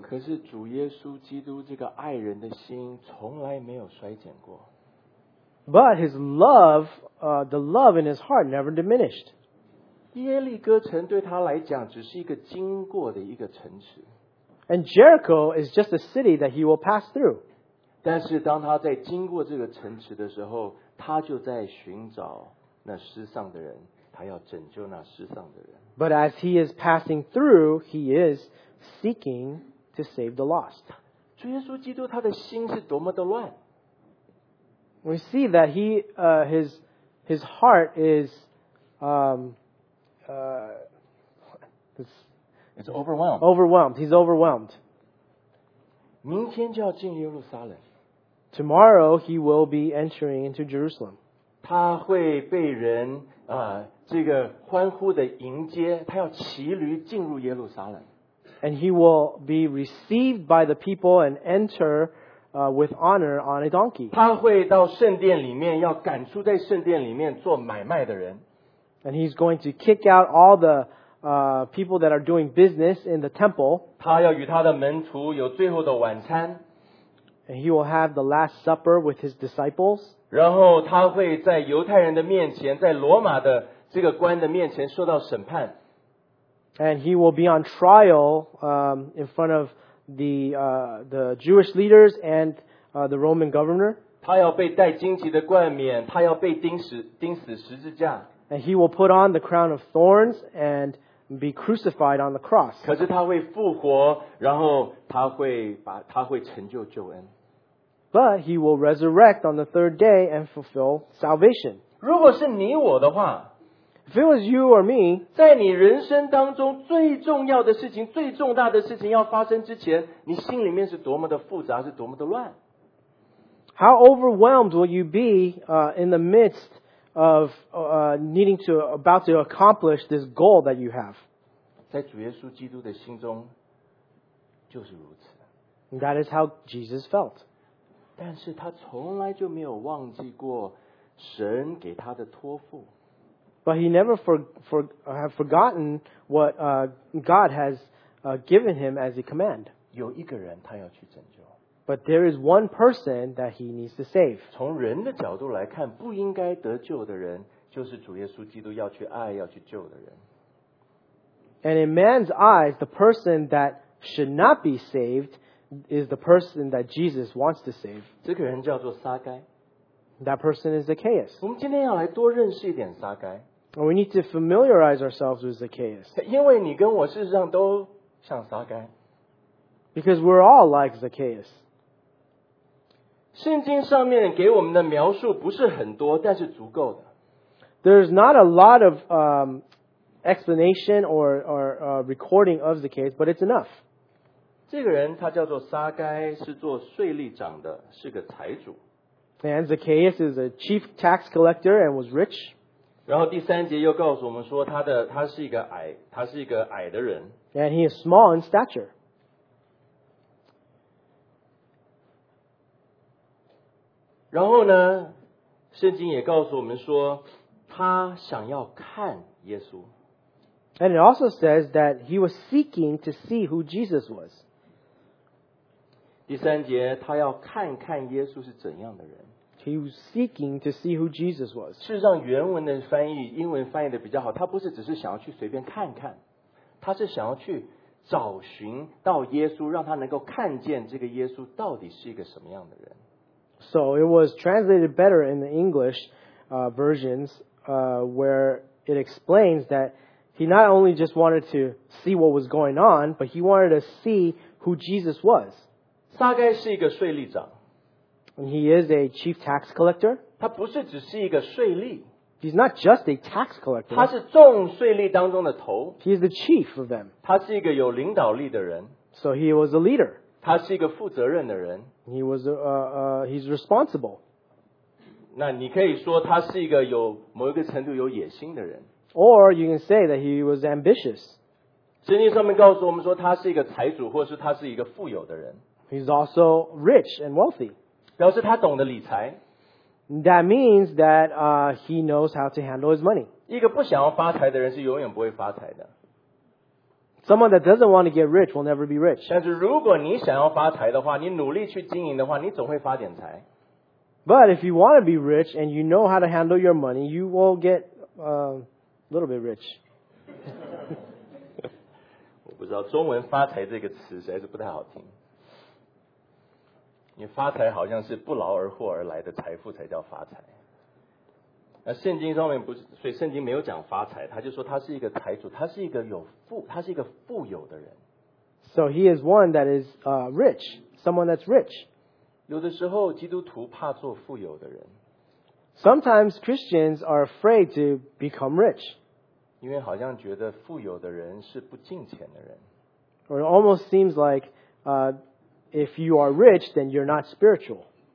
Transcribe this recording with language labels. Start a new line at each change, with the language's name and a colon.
Chinese: 可是主耶稣基督这个爱人的心从来没有衰减过。
English: But his love, the love in his heart never diminished.
Chinese: 耶利哥城对他来讲只是一个经过的一个城池。
English: And Jericho is just a city that he will pass through.
Chinese: 但是当他在经过这个城池的时候，他就在寻找那失丧的人，他要拯救那失丧的人。
English: But as he is passing through, he is seeking to save the lost.
Chinese: 主耶稣基督他的心是多么的乱。
English: We see that his heart is it's overwhelmed. Overwhelmed. He's overwhelmed.
Chinese: 明天就要进耶路撒冷。
English: Tomorrow he will be entering into Jerusalem.
Chinese: 他会被人这个欢呼的迎接，他要骑驴进入耶路撒冷。
English: And he will be received by the people and enter. With honor on a donkey.
Chinese: 他会到圣殿里面，要赶出在圣殿里面做买卖的人。
English: And he's going to kick out all the people that are doing business in the temple.
Chinese: 他要与他的门徒有最后的晚餐。
English: And he will have the last supper with his disciples.
Chinese: 然后他会在犹太人的面前，在罗马的这个官的面前受到审判。
English: And he will be on trial in front of the Jewish leaders and the Roman governor.
Chinese: 他要被戴荆棘的冠冕，他要被钉死十字架。
English: And he will put on the crown of thorns and be crucified on the cross.
Chinese: 可是他会复活，然后他会成就救恩。
English: But he will resurrect on the third day and fulfill salvation.
Chinese: 如果是你我的话，
English: If it was you or me,
Chinese: 在你人生当中最重要的事情、最重大的事情要发生之前，你心里面是多么的复杂，是多么的乱。
English: How overwhelmed will you be, in the midst of, needing to about to accomplish this goal that you have?
Chinese: 在主耶稣基督的心中就是如此。
English: That is how Jesus felt.
Chinese: 但是他从来就没有忘记过神给他的托付。
English: But he never have forgotten what God has given him as a command.
Chinese: 有一个人他要去拯救。
English: But there is one person that he needs to save.
Chinese: 从人的角度来看，不应该得救的人，就是主耶稣基督要去爱、要去救的人。
English: And in man's eyes, the person that should not be saved is the person that Jesus wants to save.
Chinese: 这个人叫做撒该。
English: That person is Zacchaeus.
Chinese: 我们今天要来多认识一点撒该。
English: We need to familiarize ourselves with Zacchaeus.
Chinese: 因为你跟我事实上都像撒该。
English: Because we're all like Zacchaeus.
Chinese: 圣经上面给我们的描述不是很多，但是足够的。
English: There's not a lot of explanation or recording of Zacchaeus, but it's enough.
Chinese: 这个人他叫做撒该，是做税吏长的，是个财主。
English: And Zacchaeus is a chief tax collector and was rich.
Chinese: 然后第三节又告诉我们说他是一个矮，他是一个矮的人。
English: And he is small in stature.
Chinese: 然后呢，圣经也告诉我们说他想要看耶稣。
English: And it also says that he was seeking to see who Jesus was.
Chinese: 第三节，他要看看耶稣是怎样的人。
English: He was seeking to see who Jesus was.
Chinese: 事实上原文的翻译，英文翻译的比较好，他不是只是想要去随便看看，他是想要去找寻到耶稣，让他能够看见这个耶稣到底是一个什么样的人。
English: So it was translated better in the English versions where it explains that he not only just wanted to see what was going on, but he wanted to see who Jesus was.
Chinese: 撒该是一个税吏长。
English: And he is a chief tax collector.
Chinese: 他不是只是一个税吏。
English: He's not just a tax collector.
Chinese: 他是众税吏当中的头。
English: He is the chief of them.
Chinese: 他是一个有领导力的人。
English: So he was a leader.
Chinese: 他是一个负责任的人。
English: He was he's responsible.
Chinese: 那你可以说他是一个有某一个程度有野心的人。
English: Or you can say that he was ambitious.
Chinese: 圣经上面告诉我们说他是一个财主，或是他是一个富有的人。
English: He's also rich and wealthy.
Chinese: 表示他懂得理财。
English: That means that he knows how to handle his money.
Chinese: 一个不想要发财的人是永远不会发财的。
English: Someone that doesn't want to get rich will never be rich.
Chinese: 但是如果你想要发财的话，你努力去经营的话，你总会发点财。
English: But if you want to be rich and you know how to handle your money, you will get a little bit rich.
Chinese: 我不知道中文发财这个词实在是不太好听。你发财好像是不劳而获而来的财富才叫发财。那圣经上面不是，所以圣经没有讲发财，他就说他是一个财主，他是一个有富，他是一个富有的人。
English: So he is one that is rich, someone that's rich.
Chinese: 有的时候基督徒怕做富有的人。
English: Sometimes Christians are afraid to become rich.
Chinese: 因为好像觉得富有的人是不敬虔的人。
English: Or it almost seems like If you are rich, then you're not spiritual.